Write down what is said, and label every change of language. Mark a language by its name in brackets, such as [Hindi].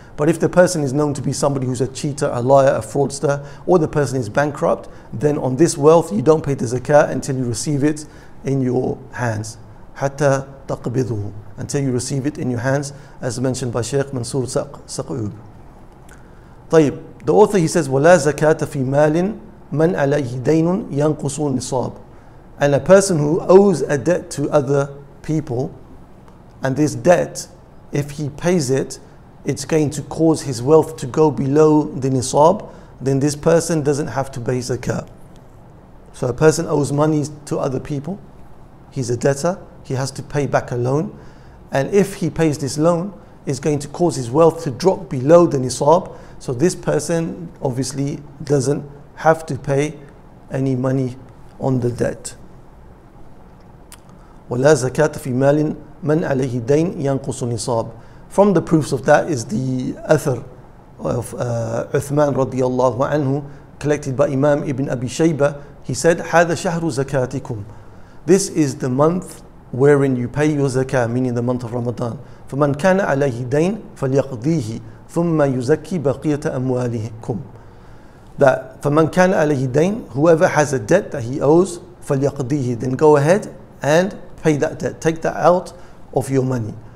[English] But if the person is known to be somebody who's a cheater, a liar, a fraudster, or the person is bankrupt, then on this wealth you don't pay the zakah until you receive it in your hands. Hatta taqbidhu, until you receive it in your hands, as mentioned by Sheikh Mansur Saq'ub. [Arabic] طيب, the author, he says, وَلَا زَكَاةَ فِي مَالٍ مَنْ عَلَيْهِ دَيْنٌ يَنْقُصُ النِّصَابُ. [English] And a person who owes a debt to other people, and this debt, if he pays it, it's going to cause his wealth to go below the nisab, then this person doesn't have to pay zakah. So a person owes money to other people, he's a debtor, he has to pay back a loan, and if he pays this loan, it's going to cause his wealth to drop below the nisab, so this person obviously doesn't have to pay any money on the debt. [Arabic] وَلَا زَكَاةَ فِي مَالٍ مَنْ عَلَيْهِ دَيْنْ يَنْقُصُ النِّصَابِ. [English] From the proofs of that is the athar of Uthman radiallahu anhu, collected by Imam Ibn Abi Shayba. [Arabic] He said, هَذَا شَهْرُ زَكَاتِكُمْ. [English] This is the month wherein you pay your zakah, meaning the month of Ramadan. [Arabic] فَمَنْ كَانَ عَلَيْهِ دَيْنْ فَلْيَقْضِيهِ ثُمَّ يُزَكِّي بَقِيَةَ أَمْوَالِهِكُمْ. [English] That فَمَنْ كَانَ عَلَيْهِ دَيْنْ, whoever has a debt that he owes, فَلْيَقْضِيهِ, then go ahead and pay that debt, take that out of your money.